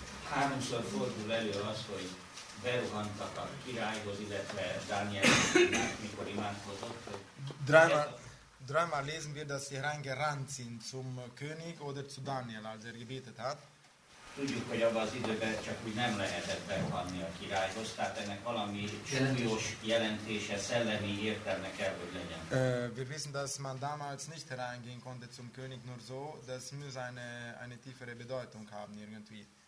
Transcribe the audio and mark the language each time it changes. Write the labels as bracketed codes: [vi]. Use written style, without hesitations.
[hu] Háromszor fordul elő az, hogy beruhantak a királyhoz, illetve Dánielhez, mikor imádkozott. [de] Dreimal lesen wir, dass sie reingerannt sind zum König oder zu Daniel, als er gebetet hat. [hu] Tudjuk, hogy abban az időben csak úgy nem lehetett beruhanni a királyhoz, tehát ennek valami súlyos jelentése, szellemi értelme kell, hogy legyen. [de] Wir wissen, dass man damals nicht reingehen konnte zum König nur so, das muss eine tiefere Bedeutung haben irgendwie.